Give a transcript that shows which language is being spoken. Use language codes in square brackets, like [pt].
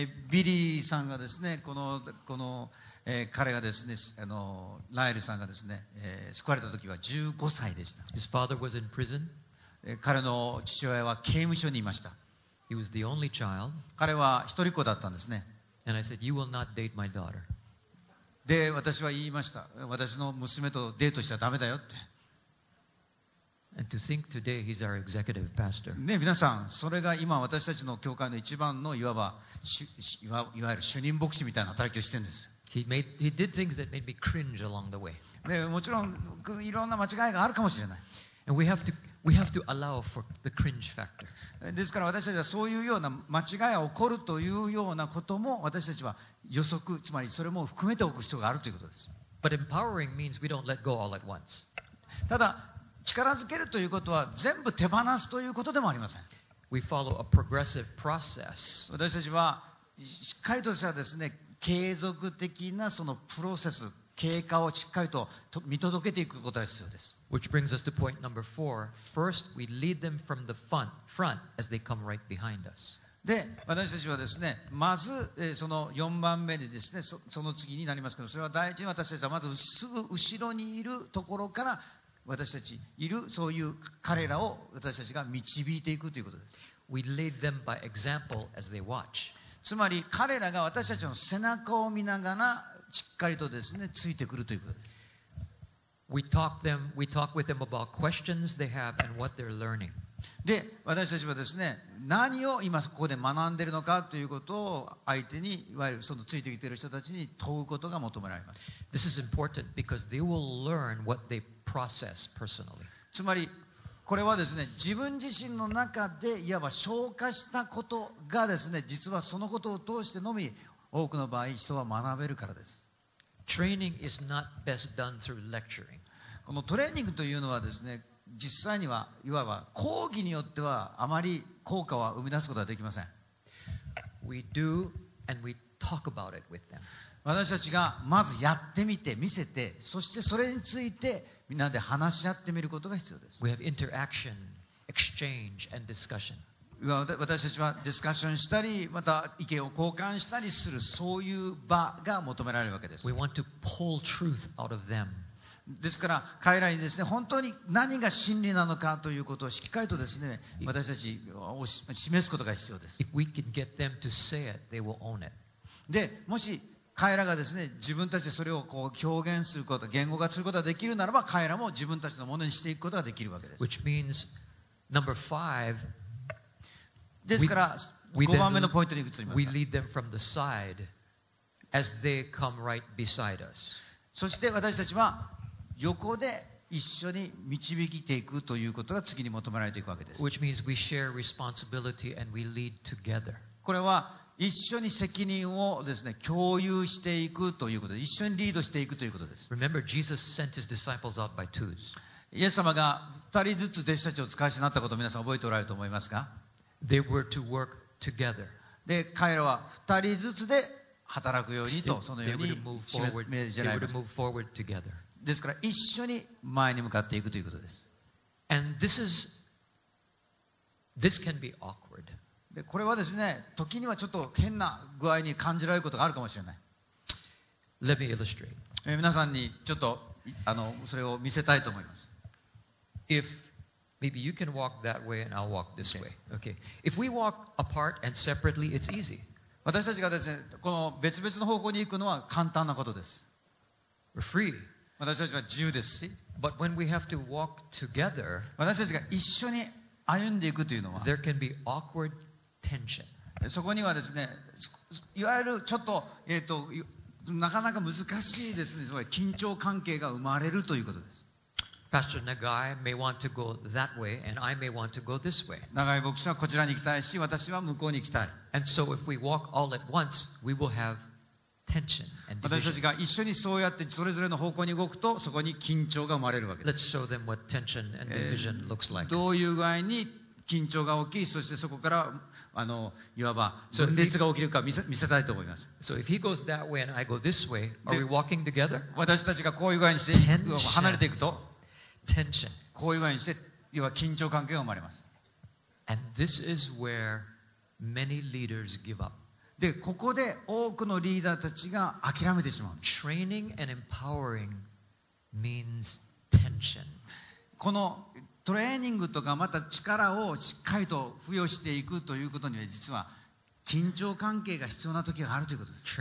[ja] ビリーさんがですね、この彼がですね、ライルさんがですね、救われた時は15歳でした。 [en] His father was in prison. [ja] 彼の父親は刑務所にいました。 [en] He was the only child. [ja] 彼は一人っ子だったんですね。 [en] And I said, you will not date my daughter. [ja] で、私は言いました。私の娘とデートしちゃダメだよって。 [en] And to think today he's our executive pastor. [ja] ね、皆さん、それが今私たちの教会の一番のいわゆる主任牧師みたいな働きをしてるんです。 [en] He did things that made me cringe along the way. [ja] ね、もちろんいろんな間違いがあるかもしれない。 [en] And we have to allow for the cringe factor. [ja] ですから私たちはそういうような間違いが起こるというようなことも私たちは予測、つまりそれも含めておく必要があるということです。 [en] But empowering means we don't let go all at once. [ja] ただ力づけるということは全部手放すということでもありません。 [en] We follow a progressive process. [ja] 私たちはしっかりとしたですね、継続的なそのプロセス、経過をしっかりと見届けていくことが必要です。 [en] Which brings us to point number four. First, we lead them from the front as they come right behind us. [ja] で、私たちはですね、まずその4番目でですね、その次になりますけど、それは第一に私たちはまずすぐ後ろにいるところから私たちいるそういう彼らを私たちが導いていくということです。 [en] We lead them by example as they watch. [ja] つまり彼らが私たちの背中を見ながらしっかりとですねついてくるということです。 [en] We talk with them about questions they have and what they're learning. [ja] で私たちはですね何を今ここで学んでいるのかということを相手にいわゆるそのついてきている人たちに問うことが求められます。 [en] This is important because they will learn what theyprocess personally. [ja] つまりこれはですね、自分自身の中でいわば消化したことがですね、実はそのことを通してのみ多くの場合人は学べるからです。 [en] Training is not best done through lecturing. [ja] このトレーニングというのはですね、実際にはいわば講義によってはあまり効果は生み出すことはできません。 [en] We do and we talk about it with them. [ja] 私たちがまずやってみて見せて、そしてそれについてみんなで話し合ってみることが必要です。 [en] We have interaction, exchange, and discussion. [ja] 私たちはディスカッションしたり、また意見を交換したりする、そういう場が求められるわけです。 [en] We want to pull truth out of them. [ja] ですから、彼らにですね、本当に何が真理なのかということをしっかりとですね、私たちを示すことが必要です。 [en] If we can get them to say it, they will own it. [ja] で、もし彼らがですね、自分たちでそれをこう表現すること、言語化することができるならば、彼らも自分たちのものにしていくことができるわけです。 [en] Which means, number five, [ja] ですから、5番目のポイントに移ります。 [en] We lead them from the side as they come right beside us. [ja] そして私たちは横で一緒に導いていくということが次に求められていくわけです。 [en] Which means we share responsibility and we lead together. [ja] これは一緒に責任をですね、共有していくということです。一緒にリードしていくということです。 [en] Remember, Jesus sent his disciples out by twos. [ja] イエス様が二人ずつ弟子たちを使わしになったことを皆さん覚えておられると思いますか？ [en] They were to work together. [ja] で、彼らは二人ずつで働くようにと、そのように命じられます。ですから、一緒に前に向かっていくということです。 [en] And this can be awkward. [ja] でこれはですね、時にはちょっと変な具合に感じられることがあるかもしれない。 [en] Let me illustrate. [ja] 皆さんにちょっとそれを見せたいと思います。 [en] If maybe you can walk that way and I'll walk this way. Okay. If we walk apart and separately, it's easy. [ja] 私たちがですね、この別々の方向に行くのは簡単なことです。 [en] We're free. [ja] 私たちは自由です。 [en] See? But when we have to walk together, [ja] 私たちが一緒に歩んでいくというのは、 [en] there can be awkward tension. [ja] そこにはですね、いわゆるちょっと、なかなか難しいですね、その緊張関係が生まれるということです。 [en] Pastor Nagai may want to go that way, and I may want to go this way. [ja] 長井牧師はこちらに行きたいし、私は向こうに行きたい。 [en] And so if we walk all at once, we will have tension and division. [ja] 私たちが一緒にそうやってそれぞれの方向に動くと、そこに緊張が生まれるわけです。 [en] Let's show them what tension and division looks like. [ja] どういう具合に緊張が起き、そしてそこからいわば分裂が起きるか見せたいと思います。 [en] So if he goes that way and I go this way, are we walking together? [ja] 私たちがこういう具合にして離れていくと、 [en] Tension. [ja] こういう具合にして、要は緊張関係が生まれます。 [en] And this is where many leaders give up. [ja] で、ここで多くのリーダーたちが諦めてしまう。 [en] Training and empowering means tension. [ja] このトレーニングとかまた力をしっかりと付与していくということには実は緊張関係が必要な時があるということです。